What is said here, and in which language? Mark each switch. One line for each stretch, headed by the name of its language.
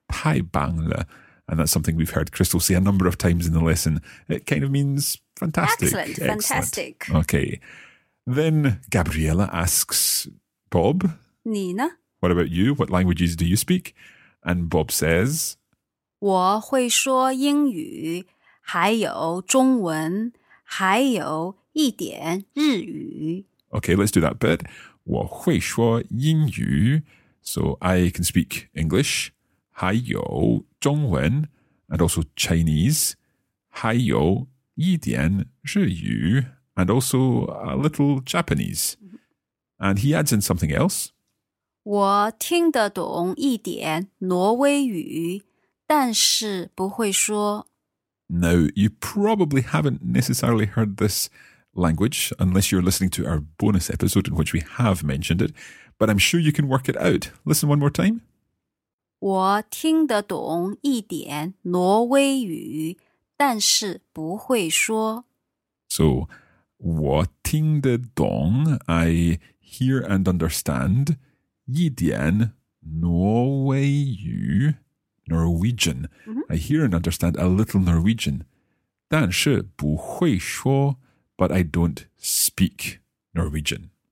Chinese: 太棒了。
English: And that's something we've heard Crystal say a number of times in the lesson. It kind of means fantastic. Excellent. Okay. Then Gabriella asks Bob,
Chinese: 你呢?
English: What about you? What languages do you speak? And Bob says,
Chinese: 我会说英语,还有中文,还有一点日语。
English: Okay, let's do that bit.
Chinese: 我会说英语,
English: so I can speak English.
Chinese: 还有中文,
English: and also Chinese,
Chinese: 还有一点日语,
English: and also a little Japanese. And he adds in something else.
Chinese: 我听得懂一点挪威语, 但是不会说。
English: Now, you probably haven't necessarily heard this language, unless you're listening to our bonus episode in which we have mentioned it, but I'm sure you can work it out. Listen one more time.
Chinese: 我听得懂一点挪威语,但是不会说。
English: So,
Chinese: 我听得懂,
English: I hear and understand,
Chinese: 一点挪威语,
English: Norwegian. Mm-hmm. I hear and understand a little Norwegian.
Chinese: 但是不会说,
English: but I don't speak Norwegian.